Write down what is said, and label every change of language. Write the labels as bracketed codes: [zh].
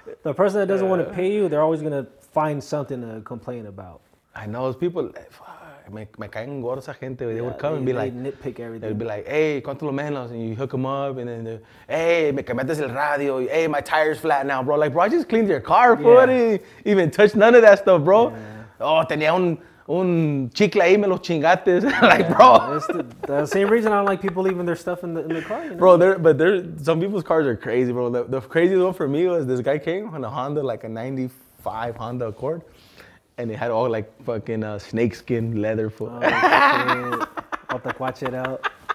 [en] The person that doesn't want to pay you, they're always going to find something to complain about. I know, those people, [es] me caen gordos esa gente. [en] They would come and be like, nitpick everything. They'd be like, hey, [es] cuanto lo menos, [en] and you hook them up, and then, hey, [es] me cambiaste el radio, [en] hey, my tire's flat now, bro. Like, bro, I just cleaned your car, bro. I didn't even touch none of that stuff, bro. Yeah. [es] Oh, tenía un chicle ahí, me lo chingaste. [en] Like, bro. The same reason I don't like people leaving their stuff in the car. You know? Bro, some people's cars are crazy, bro. The craziest one for me was this guy came on a Honda, like a 95 Honda Accord. And it had all like fucking snakeskin leather foot. About to watch it out.